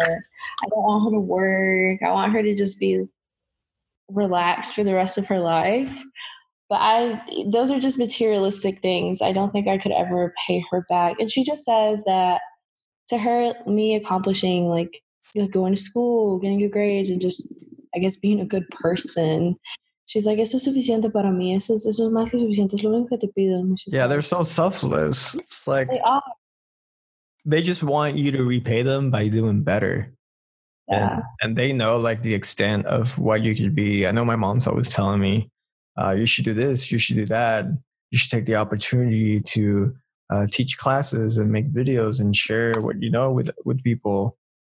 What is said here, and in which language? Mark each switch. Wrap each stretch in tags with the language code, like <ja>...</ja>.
<en>I don't want her to work. I want her to just be relaxed for the rest of her life. But I, those are just materialistic things. I don't think I could ever pay her back. And she just says that to her, me accomplishing like going to school, getting good grades, and just, I guess, being a good person. She's like,</en> <es>eso es suficiente para mí. Eso es más que suficiente. Es lo único que te pido.</es> <en>Yeah, they're so selfless. It's like, they are. They just want you to repay them by doing better. Yeah. And they know like the extent of what you could be. I know my mom's always telling me, you should do this, you should do that. You should take the opportunity to teach classes and make videos and share what you know with people.</en>